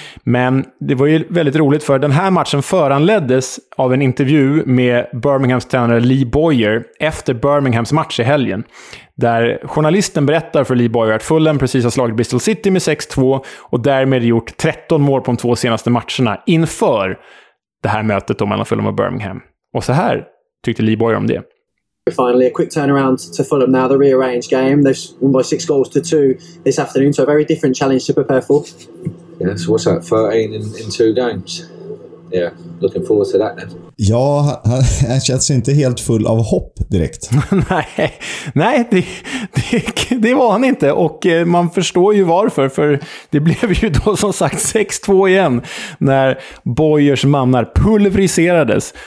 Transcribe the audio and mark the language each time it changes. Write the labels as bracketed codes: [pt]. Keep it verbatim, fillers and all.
[sv] Men det var ju väldigt roligt för den här matchen föranleddes av en intervju med Birminghams tränare Lee Boyer efter Birminghams match i helgen. Där journalisten berättar för Lee Boyer att Fulham precis har slagit Bristol City med sex två och därmed gjort tretton mål på de två senaste matcherna inför det här mötet då mellan Fulham och Birmingham. Och så här tyckte Lee Boyer om det. [en] Finally, a quick turnaround to Fulham now, the rearranged game. They've won by six goals to two this afternoon, so a very different challenge to prepare for. Yeah, so what's that, thirteen in, in two games? Yeah, looking forward to that then. [sv] Ja, han, han känns inte helt full av hopp direkt. nej, nej det, det, det var han inte. Och man förstår ju varför. För det blev ju då som sagt sex två igen när Boyers mannar pulveriserades.